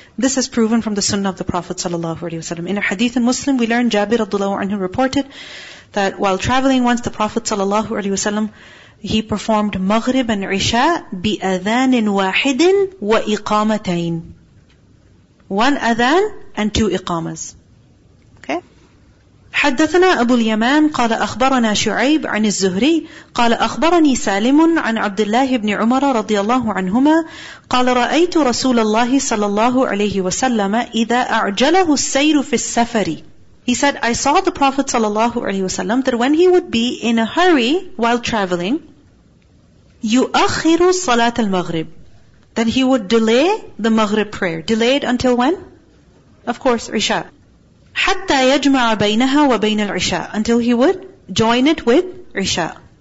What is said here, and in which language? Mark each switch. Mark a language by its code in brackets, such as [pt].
[en] This is proven from the sunnah of the Prophet sallallahu alaihi wasallam. In a hadith in Muslim, we learn Jabir radhiyallahu anhu reported that while traveling once, the Prophet sallallahu alaihi wasallam, he performed Maghrib and Isha [ar] bi adhanin wahidin wa iqamatain. [en] One adhan and two iqamas. Okay? [ar] حدثنا أبو اليمان قال أخبرنا شعيب عن الزهري قال أخبرني سالم عن عبد الله بن عمر رضي الله عنهما قال رأيت رسول الله صلى الله عليه وسلم إذا أعجله السير في السفر. [en] He said, I saw the Prophet sallallahu alaihi wasallam that when he would be in a hurry while traveling, [ar] يُؤَخِّرُ صَلَاةَ الْمَغْرِبِ, [en] then he would delay the Maghrib prayer. Delayed until when? Of course, Isha. [ar] حَتَّى يَجْمَعَ بَيْنَهَا وَبَيْنَ الْعِشَاءِ, [en] until he would join it with Isha.